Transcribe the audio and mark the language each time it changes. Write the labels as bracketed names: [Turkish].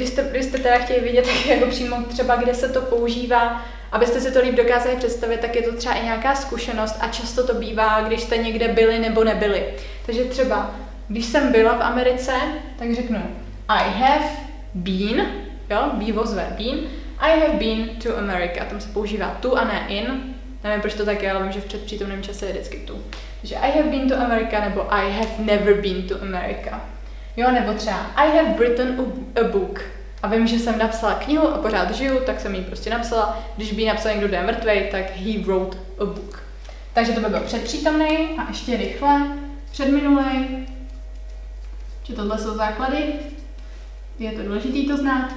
[Czech] Když jste teda chtěli vidět, tak jako přímo třeba, kde se to používá, abyste si to líp dokázali představit, tak je to třeba i nějaká zkušenost a často to bývá, když jste někde byli nebo nebyli. Takže třeba, když jsem byla v Americe, tak řeknu [English] I have been, jo, be was where been, I have been to America. [Czech] Tam se používá to a ne in. Nevím, proč to tak je, ale vím, že v předpřítomném čase je vždycky tu. [English] Že I have been to America, nebo I have never been to America. [Czech] Jo, nebo třeba [English] I have written a book. [Czech] A vím, že jsem napsala knihu a pořád žiju, tak jsem ji prostě napsala. Když by napsal někdo, kdo je mrtvej, tak [English] he wrote a book. [Czech] Takže to by byl předpřítomný a ještě rychle předminulej. Že tohle jsou základy. Je to důležité to znát.